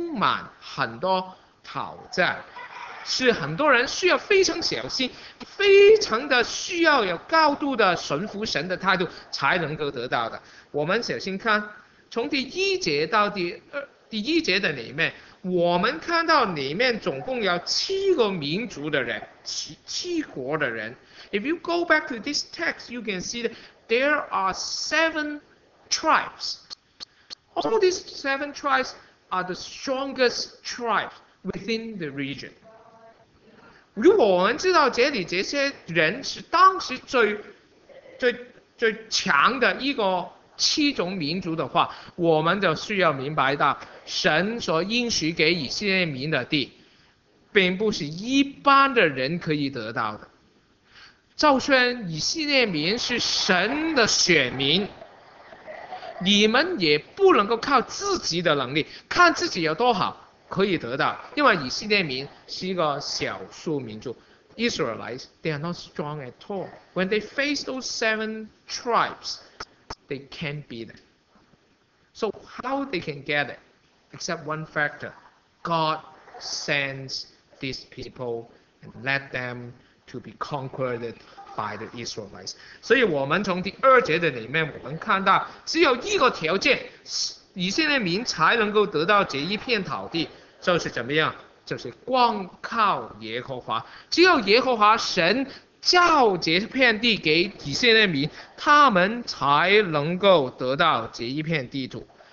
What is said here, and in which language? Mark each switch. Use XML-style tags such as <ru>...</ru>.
<zh>这一片地图是非常好，这是不错，但是问题在哪里？在里面要得到这块地的话，并不是靠以色列民自己，并不是你从自己角度看自己是那么好，是得到神的保守、神的应许，你现在你就得到这块地。原来这块地是充满很多挑战。是很多人需要非常小心，非常的需要有高度的顺服神的态度才能够得到的。我们小心看，从第一节到第一节的里面，我们看到里面总共有七个民族的人，七国的人。</zh> <en>If you go back to this text, you can see that there are seven tribes. All these seven tribes are the strongest tribes within the region.</en> <zh>如果我们知道这里这些人是当时最强的一个七种民族的话，我们就需要明白到，神所应许给以色列民的地，并不是一般的人可以得到的。赵宣以色列民是神的选民，你们也不能够靠自己的能力，看自己有多好可以得到，因为以色列民是一个少数民族。</zh> <en>Israelites, they are not strong at all. When they face those seven tribes, they can't beat it. So how they can get it? Except one factor. God sends these people and let them to be conquered by the Israelites.</en> <zh>所以我们从第二节的里面，我们看到只有一个条件，以色列民才能够得到这一片土地，就是怎么样？就是光靠耶和华，只有耶和华神造这片地给以色列民，他们才能够得到这一片地土。</zh>